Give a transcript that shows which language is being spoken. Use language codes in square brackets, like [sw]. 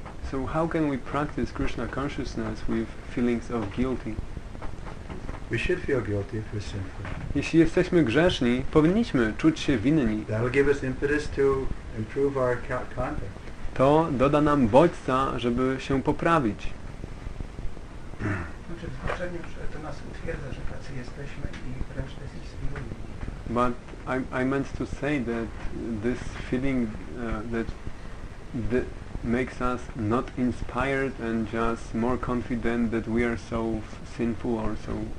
[en] So how can we practice Krishna consciousness with feelings of guilty? We should feel guilty if we're sinful. [pl] Jeśli jesteśmy grzeszni, powinniśmy czuć się winni. [en] That'll give us impetus to improve our conduct. [pl] To doda nam bodźca, żeby się poprawić. Znaczy, w zwłaszczeniu, że to nas utwierdza, że tacy jesteśmy i wręcz też inspiruje. [en] But I meant to say that this feeling that makes us not inspired and just more confident that we are so sinful or so.